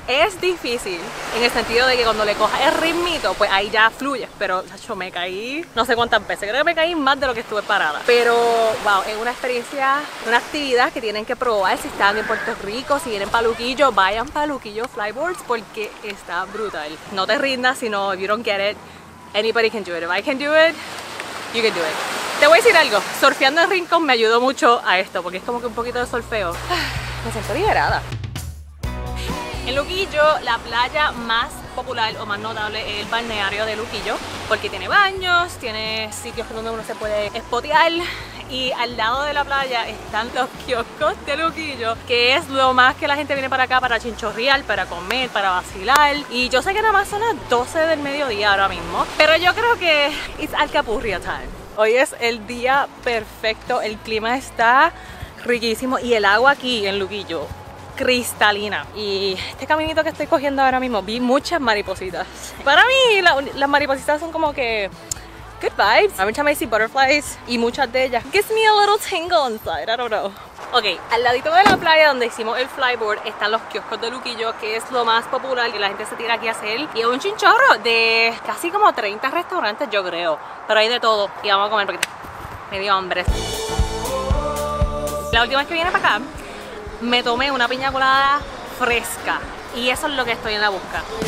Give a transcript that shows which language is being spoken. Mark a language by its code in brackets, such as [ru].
[es] Es difícil en el sentido de que cuando le cojas el ritmito, pues ahí ya fluyes. Pero, chacho, me caí no sé cuántas veces. Creo que me caí más de lo que estuve parada. Pero, wow, es una experiencia, una actividad que tienen que probar. Si están en Puerto Rico, si vienen para Luquillo, vayan para Luquillo Flyboards porque está brutal. No te rindas, sino [en] if you don't get it, anybody can do it. If I can do it, you can do it. [es] Te voy a decir algo. Surfeando en rincón me ayudó mucho a esto porque es como que un poquito de solfeo. Me siento liberada. En Luquillo, la playa más popular o más notable es el balneario de Luquillo, porque tiene baños, tiene sitios donde uno se puede espotear, y al lado de la playa están los kioscos de Luquillo, que es lo más que la gente viene para acá para chinchorrear, para comer, para vacilar. Y yo sé que nada más son las 12 del mediodía ahora mismo, pero yo creo que [en] it's alcapurria time. [es] Hoy es el día perfecto, el clima está riquísimo y el agua aquí en Luquillo cristalina. Y este caminito que estoy cogiendo ahora mismo, vi muchas maripositas. Para mí, las maripositas son como que [en] good vibes. [es] A muchas Macy butterflies y muchas de ellas. [en] Gives me a little tingle inside, I don't know. [es] Ok, al ladito de la playa donde hicimos el flyboard están los kioscos de Luquillo, que es lo más popular y la gente se tira aquí a hacer. Y es un chinchorro de casi como 30 restaurantes, yo creo. Pero hay de todo. Y vamos a comer porque me dio hambre. La última vez que viene para acá, me tomé una piña colada fresca y eso es lo que estoy en la busca.